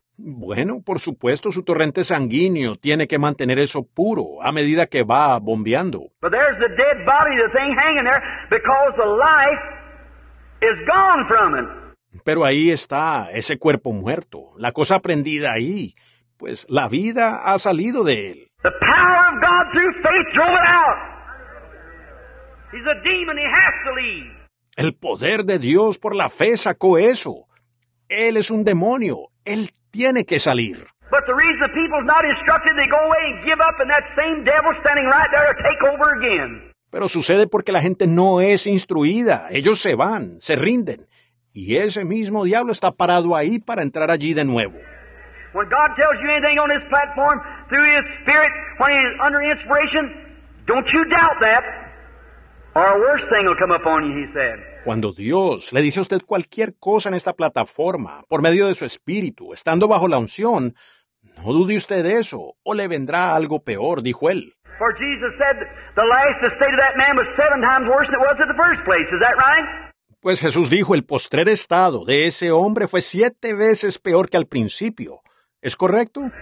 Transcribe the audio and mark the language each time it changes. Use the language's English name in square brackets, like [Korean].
[Spanish] Bueno, por supuesto, su torrente sanguíneo tiene que mantener eso puro a medida que va bombeando. [English] But there's the dead body, the thing hanging there, because the life is gone from it. [Spanish] Pero ahí está ese cuerpo muerto, la cosa prendida ahí, pues la vida ha salido de él. [English] The power of God through faith drove it out. He's a demon, he has to leave. [Spanish] El poder de Dios por la fe sacó eso. Él es un demonio, él tiene que salir. [English] But the reason the people's not instructed, they go away and give up, and that same devil standing right there to take over again. [Spanish] Pero sucede porque la gente no es instruida, ellos se van, se rinden. Y ese mismo diablo está parado ahí para entrar allí de nuevo. [English] When God tells you anything on this platform through His Spirit, when He's under inspiration, don't you doubt that, or a worse thing will come upon you, He said. [Spanish] Cuando Dios le dice a usted cualquier cosa en esta plataforma, por medio de su Espíritu, estando bajo la unción, no dude usted de eso, o le vendrá algo peor, dijo Él. [English] For Jesus said the life, the state of that man was seven times worse than it was at the first place. Is that right? [Spanish] Pues Jesús dijo, el postrer estado de ese hombre fue siete veces peor que al principio. ¿Es correcto?